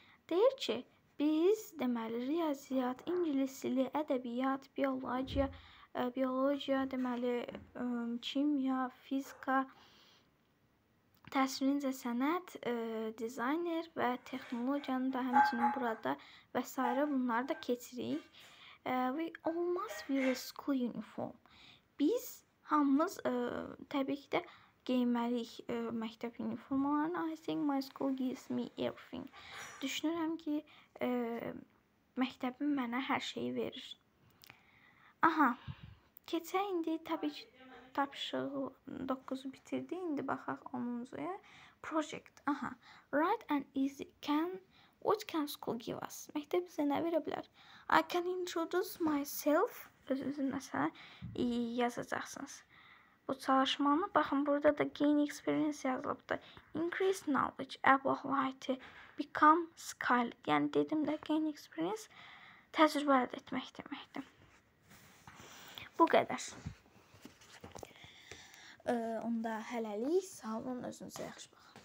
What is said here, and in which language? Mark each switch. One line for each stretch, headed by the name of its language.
Azerbaijani: Deyir ki, biz, deməli, riyaziyyat, ingilis dili, ədəbiyyat, biologiya, deməli, kimya, fizika, təsirincə sənət, dizayner və texnologiyanı da həmçinin burada və s. bunları da keçirik.
English: We all must wear a school uniform.
Azerbaijani: Biz hamımız təbii ki də geyinməliyik məktəb uniformalarını.
English: I think my school gives me everything.
Azerbaijani: Düşünürəm ki, məktəbim mənə hər şeyi verir. Aha, keçək indi təbii ki, tapışıq 9-u bitirdi. İndi baxaq 10-uncuya. Project.
English: Aha, right and easy. What can school give us?
Azerbaijani: Məktəb bizə nə verə bilər?
English: I can introduce myself.
Azerbaijani: Özünüzü məsələ yazacaqsınız. Bu çalışmanı, baxın, burada da gain experience yazılıbdır.
English: Increase knowledge, above light, become skill.
Azerbaijani: Yəni, dedim də gain experience təcrübə əldə etmək deməkdir. Bu qədər. Onda hələlik. Sağ olun, özünüzə yaxşı baxın.